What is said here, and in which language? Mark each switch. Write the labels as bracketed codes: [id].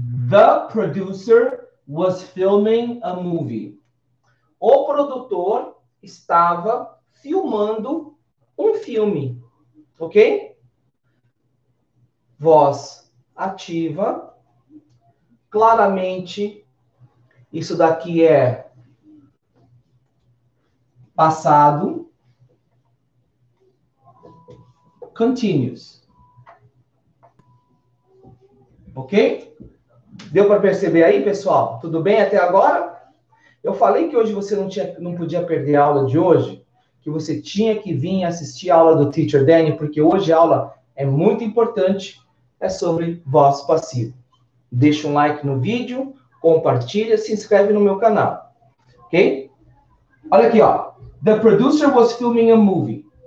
[en] The producer was filming a movie. [pt] O produtor estava filmando um filme, ok? Voz ativa. Claramente, isso daqui é passado. Continuous. Ok? Deu para perceber aí, pessoal? Tudo bem até agora? Eu falei que hoje você não podia perder a aula de hoje, que você tinha que vir assistir a aula do Teacher Daniel, porque hoje a aula é muito importante, é sobre voz passiva. Deixa um like no vídeo, compartilha, se inscreve no meu canal. Ok? Olha aqui, ó. [en] The producer was filming a movie.